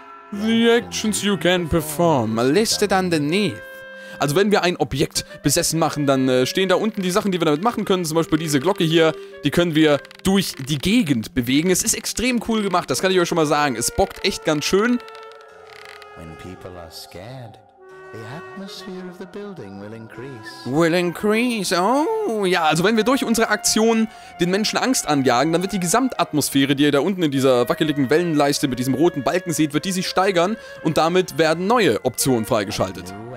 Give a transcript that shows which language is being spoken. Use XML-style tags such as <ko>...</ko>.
<en>The actions you can perform are listed underneath.</en> <de>Also wenn wir ein Objekt besessen machen, dann stehen da unten die Sachen, die wir damit machen können. Zum Beispiel diese Glocke hier, die können wir durch die Gegend bewegen. Es ist extrem cool gemacht, das kann ich euch schon mal sagen. Es bockt echt ganz schön.</de> <en>When people are scared, the atmosphere of the building will increase.</en> <de>Oh, ja, also wenn wir durch unsere Aktion den Menschen Angst anjagen, dann wird die Gesamtatmosphäre, die ihr da unten in dieser wackeligen Wellenleiste mit diesem roten Balken seht, wird die sich steigern und damit werden neue Optionen freigeschaltet.</de>